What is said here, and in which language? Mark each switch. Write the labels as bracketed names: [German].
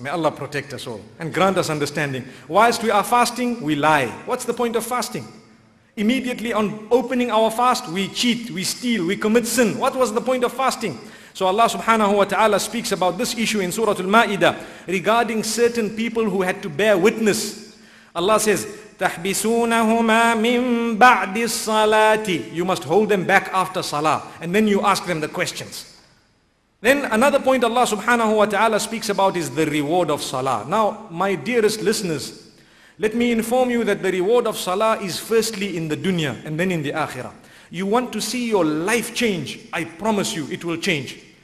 [English] May Allah protect us all and grant us understanding. Whilst we are fasting, we lie. What's the point of fasting? Immediately on opening our fast, we cheat, we steal, we commit sin. What was the point of fasting? So Allah subhanahu wa ta'ala speaks about this issue in Surah Al-Ma'idah regarding certain people who had to bear witness. Allah says, [Arabic] تَحْبِسُونَهُمَا مِن بَعْدِ الصَّلَاةِ. [English] You must hold them back after salah, and then you ask them the questions. Then another point Allah subhanahu wa ta'ala speaks about is the reward of salah. Now, my dearest listeners, let me inform you that the reward of salah is firstly in the dunya and then in the akhirah. You want to see your life change, I promise you it will change.